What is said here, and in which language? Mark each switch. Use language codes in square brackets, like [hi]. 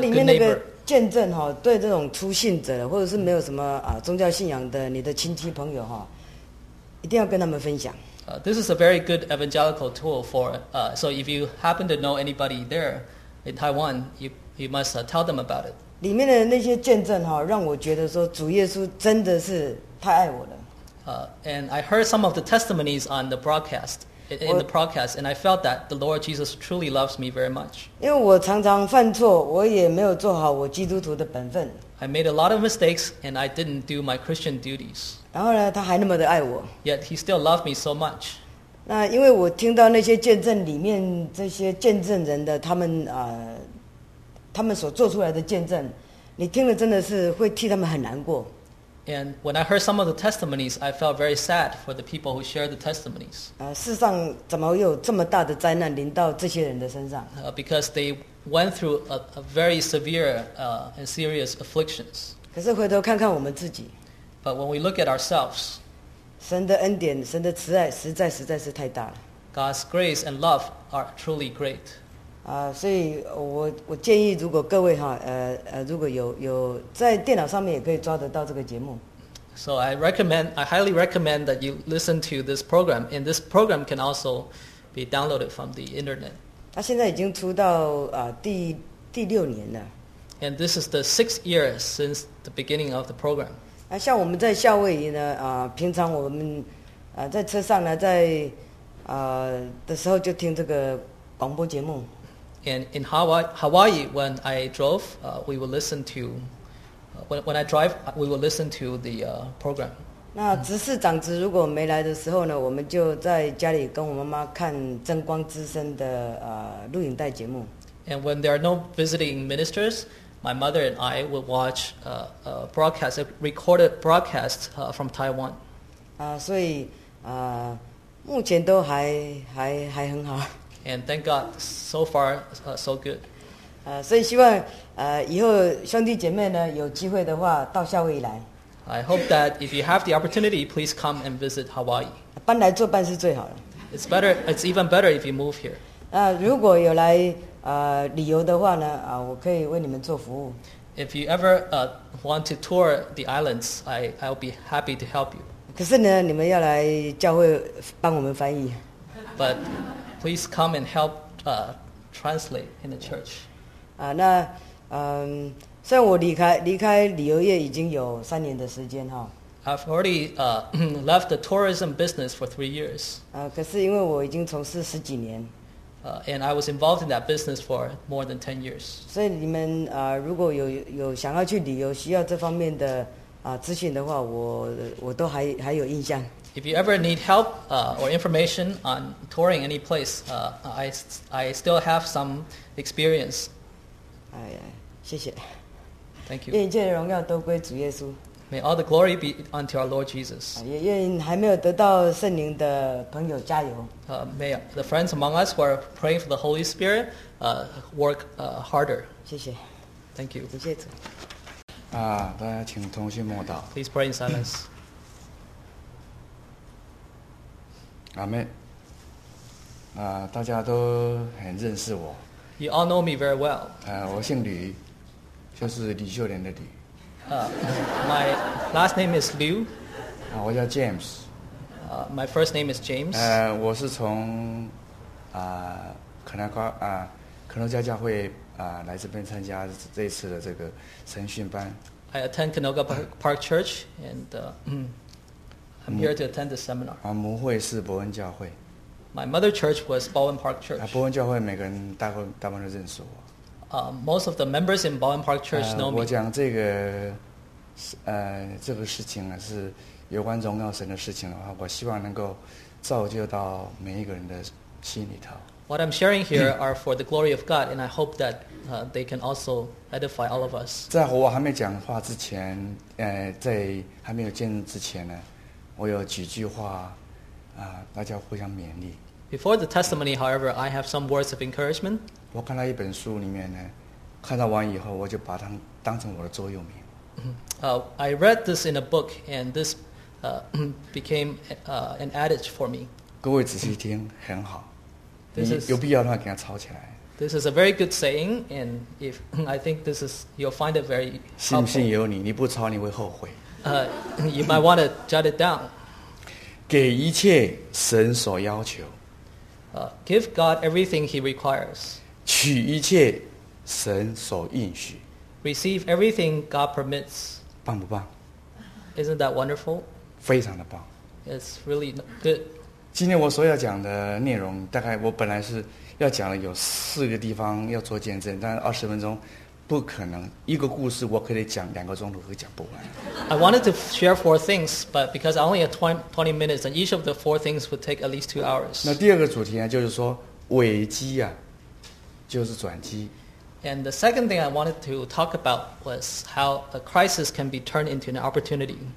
[zh] 它里面那个见证哈、哦，对这种初信者或者是没有什么宗教信仰的你的亲戚朋友哈、哦，一定要跟他们分享。 [en] This is a very good evangelical tool for so if you happen to know anybody there in Taiwan, you must tell them about it. [zh] 里面的那些见证哈，让我觉得说主耶稣真的是太爱我了。 [en] And I heard some of the testimonies on the broadcast, in the broadcast, and I felt that the Lord Jesus truly loves me very much. [zh] 因为我常常犯错，我也没有做好我基督徒的本分。 [en] I made a lot of mistakes, and I didn't do my Christian duties. [zh] 然后呢，他还那么的爱我。 [en] Yet he still loved me so much. [zh] 那因为我听到那些见证里面这些见证人的他们所做出来的见证，你听了真的是会替他们很难过。 [en] And when I heard some of the testimonies, I felt very sad for the people who shared the testimonies. [zh] 世上怎么有这么大的灾难临到这些人的身上？ [en] Because they went through a very severe and serious afflictions. [zh] 可是回头看看我们自己。 [en] But when we look at ourselves. [zh] 神的恩典，神的慈爱，实在实在是太大了。 [en] God's grace and love are truly great. [zh] 所以我建议，如果各位哈，如果有在电脑上面也可以抓得到这个节目。 [en] So I highly recommend that you listen to this program, and this program can also be downloaded from the internet. [zh] 它现在已经出到第六年了。 [en] And this is the sixth year since the beginning of the program. [zh] 像我们在夏威夷呢，平常我们在车上呢，在的时候就听这个广播节目。 [en] And in Hawaii, when I drove, we will listen to when I drive, we will listen to the program. [zh] 那执事长子如果没来的时候呢，我们就在家里跟我妈妈看《真光之声》的录影带节目。 [en] And when there are no visiting ministers. My mother and I would watch a recorded broadcast from Taiwan. [zh] 所以目前都还很好。 [en] And thank God, so far, so good. [zh] 所以希望以后兄弟姐妹呢有机会的话到夏威夷来。 [en] I hope that if you have the opportunity, please come and visit Hawaii. [zh] 搬来做伴是最好的。 [en] It's better. It's even better if you move here. [zh] 如果有来。旅游的话呢，我可以为你们做服务。 [en] If you ever want to tour the islands, I'll be happy to help you. [zh] 可是呢，你们要来教会帮我们翻译。 [en] But please come and help translate in the church. [zh] 虽然我离开旅游业已经有三年的时间哈。 [en] I've already left the tourism business for 3 years. [zh] 可是因为我已经从事十几年。 [en] And I was involved in that business for more than 10 years. [zh] 所以你们如果有想要去旅游需要这方面的咨询的话，我都还有印象。 [en] If you ever need help or information on touring any place, I still have some experience. [zh] 谢谢。 [en] Thank you. [zh] 愿一切荣耀都归主耶稣。 [en] May all the glory be unto our Lord Jesus. [zh] 也还没有得到圣灵的朋友加油。 [en] May the friends among us who are praying for the Holy Spirit work harder. [zh] 谢谢。 [en] Thank you. [zh] 谢谢主。大家请同心默祷。 [en] Please pray in silence. [zh] 阿们。大家都很认识我。 [en] You all know me very well. [zh] 我姓吕。就是李秀莲的李。 [en] My last name is Liu. [zh] 我叫 James. [en] My first name is James. [zh] 我是从 可能加教会 来这边参加这次的这个神训班。 [en] I attend Canoga Park Church and I'm here to attend the seminar. [zh] 母会是伯恩教会。 [en] My mother church was Bowen Park Church. [zh] 伯恩教会每个人大部分都认识我。 [en] Most of the members in Bowen Park Church know me. [zh] 我讲这个事情是有关荣耀神的事情的话，我希望能够造就到每一个人的心里头。 [en] What I'm sharing here are for the glory of God, and I hope that they can also edify all of us. [zh] 在我还没讲话之前，在还没有见证之前呢，我有几句话，大家互相勉励。 [en] Before the testimony, however, I have some words of encouragement. [zh] 我看到一本书里面呢，看到完以后，我就把它当成我的座右铭。 [en] I read this in a book, and this became an adage for me. [zh] 各位仔细听，很好。有必要的话，给它抄起来。 [en] This is a very good saying, and if I think this is, you'll find it very helpful. [zh] 信不信由你，你不抄你会后悔。 [en] You might want to jot it down. [zh] 给一切神所要求。 [en] Give God everything He requires. [zh] 取一切神所应许。 [en] Receive everything God permits. [zh] 棒不棒? [en] Isn't that wonderful? [zh] 非常的棒。 [en] It's really good. [zh] 今天我所要讲的内容，大概我本来是要讲的有四个地方要做见证，但20分钟不可能，一个故事我可以讲2个钟头，可以讲不完。 [en] I wanted to share four things, but because I only had 20 minutes, and each of the four things would take at least 2 hours. [zh] 那第二个主题呢，就是说危机啊，就是转机。 [en] And the second thing I wanted to talk about was how a crisis can be turned into an opportunity.